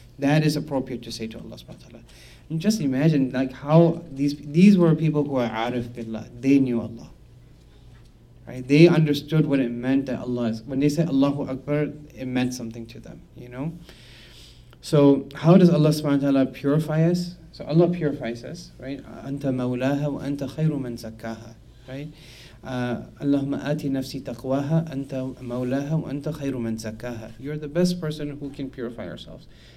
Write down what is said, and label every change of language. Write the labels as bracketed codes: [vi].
[en] That is appropriate to say to Allah subhanahu wa ta'ala. And just imagine like how these were people who are arif billah. They knew Allah. Right? They understood what it meant that Allah is. When they said Allahu Akbar, it meant something to them, you know? So how does Allah subhanahu wa ta'ala purify us? So Allah purifies us, right? [ar] أَنْتَ مَوْلَاهَا وَأَنْتَ خَيْرُ مَنْ زَكَّاهَا, right? اللهم آتي نفسي تقواها أنت مولاها وأنت خير من زكاها. [en] You're the best person who can purify ourselves.